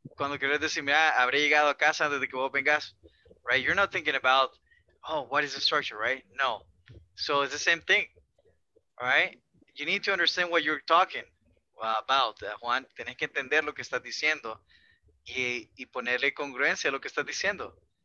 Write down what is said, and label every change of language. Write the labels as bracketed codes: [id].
[es] Cuando quieres decir, mira, habré llegado a casa antes de que vos vengas, right? [en] You're not thinking about, oh, what is the structure, right? No. So it's the same thing, all right? You need to understand what you're talking about, Juan. [es] Tienes que entender lo que estás diciendo y ponerle congruencia a lo que estás diciendo.